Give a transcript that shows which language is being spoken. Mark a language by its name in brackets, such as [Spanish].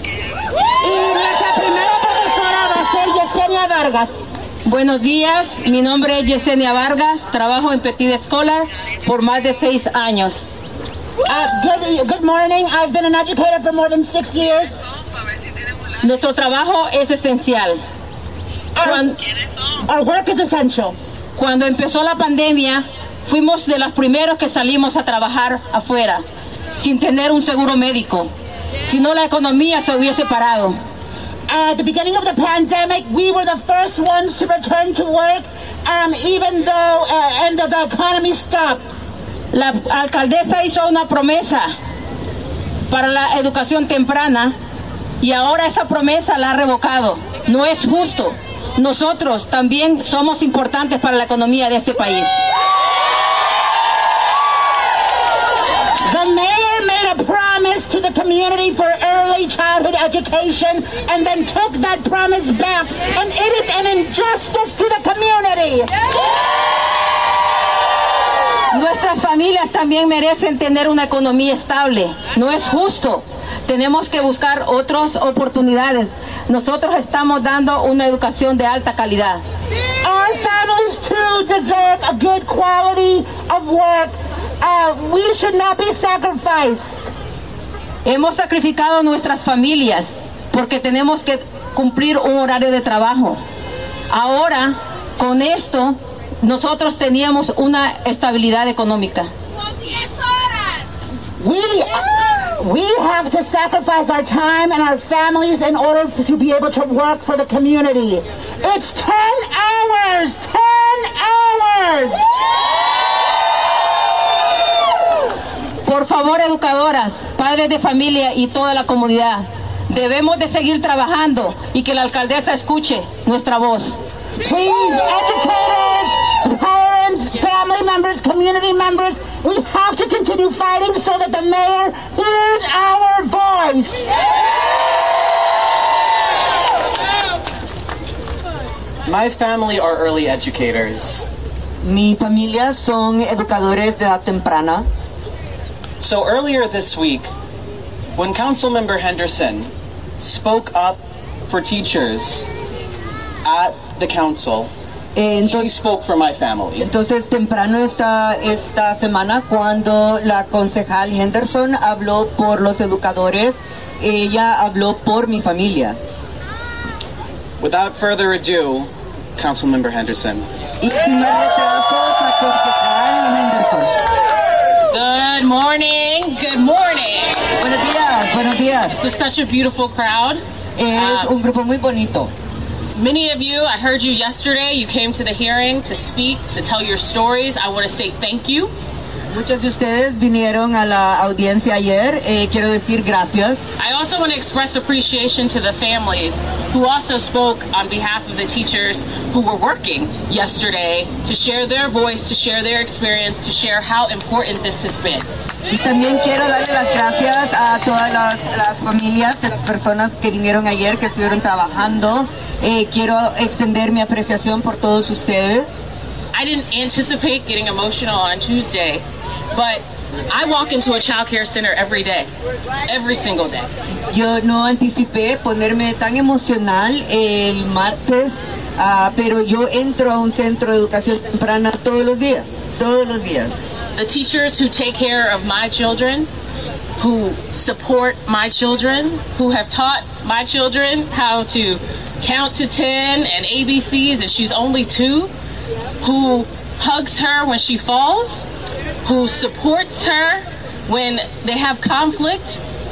[Spanish] Y nuestra primera profesora va a ser Yesenia Vargas. Buenos días, mi nombre es Yesenia Vargas, trabajo en Petit Escolar por más de 6 años. [English] Good morning, I've been an educator for more than 6 years. [Spanish] Nuestro trabajo es esencial. [English] Our work is essential. [Spanish] Cuando empezó la pandemia, fuimos de los primeros que salimos a trabajar afuera, sin tener un seguro médico. Si no, la economía se hubiese parado. [English] At the beginning of the pandemic, we were the first ones to return to work, even though and the economy stopped. [Spanish] La alcaldesa hizo una promesa para la educación temprana y ahora esa promesa la ha revocado. No es justo. Nosotros también somos importantes para la economía de este país. [English] The mayor made a promise to the community for early childhood education and then took that promise back. And it is an injustice to the community. [Spanish] Nuestras familias también merecen tener una economía estable. No es justo. Tenemos que buscar otras oportunidades. Nosotros estamos dando una educación de alta calidad. [English] Our families too deserve a good quality of work. We should not be sacrificed. [Spanish] Hemos sacrificado nuestras familias porque tenemos que cumplir un horario de trabajo. Ahora, con esto, nosotros teníamos una estabilidad económica. Son 10 horas. [English] We have to sacrifice our time and our families in order to be able to work for the community. It's 10 hours! 10 hours! [Spanish] Por favor, educadoras, padres de familia y toda la comunidad, debemos de seguir trabajando y que la alcaldesa escuche nuestra voz. [English] Please, educators, parents, family members, community members, we have to continue fighting so that the mayor hears our voice. My family are early educators. [Spanish] Mi familia son educadores de edad temprana. [English] So earlier this week, when Councilmember Henderson spoke up for teachers at the council, she spoke for my family. [Spanish] Entonces, temprano esta semana, cuando la concejal Henderson habló por los educadores, ella habló por mi familia. [English] Without further ado, Councilmember Henderson. [Spanish] Y sin más retraso, la concejal Henderson. [English] Good morning. Good morning. [Spanish] Buenos días. Buenos días. [English] This is such a beautiful crowd. [Spanish] Es un grupo muy bonito. [English] Many of you, I heard you yesterday, you came to the hearing to speak, to tell your stories. I want to say thank you. [Spanish] Muchos de ustedes vinieron a la audiencia ayer. Quiero decir gracias. [English] I also want to express appreciation to the families who also spoke on behalf of the teachers who were working yesterday to share their voice, to share their experience, to share how important this has been. [Spanish] Y también quiero darle las gracias a todas las familias, las personas que vinieron ayer, que estuvieron trabajando. Quiero extender mi apreciación por todos ustedes. [English] I didn't anticipate getting emotional on Tuesday, but I walk into a child care center every day, every single day. [Spanish] Yo no anticipé ponerme tan emocional el martes, pero yo entro a un centro de educación temprana todos los días, todos los días. [English] The teachers who take care of my children, who support my children, who have taught my children how to count to 10 and ABCs, and she's only two, who hugs her when she falls, who supports her when they have conflict.